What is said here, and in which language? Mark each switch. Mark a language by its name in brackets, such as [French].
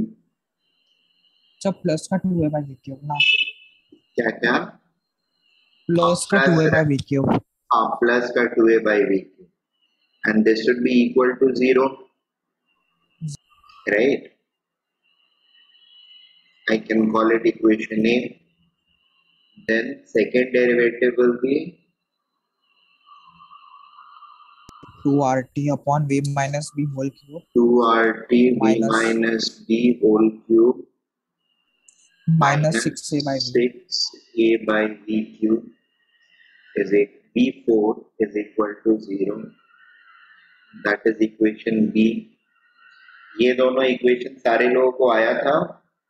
[Hindi] अच्छा [English] plus [Hindi] का [English] 2a by V Q [Hindi] ना, क्या क्या [English] plus [Hindi] का [English] 2a by V Q, [Hindi] हाँ [English] plus [Hindi] का [English] 2a by V cube and this should be equal to zero right. I can call it equation A. Then second derivative will be 2RT upon V minus B whole cube. 2RT V minus B whole cube minus 6A by V. 6A by V cube is a V4 is equal to 0. That is equation B. [Hindi] ये दोनों equation सारे लोगों को आया था.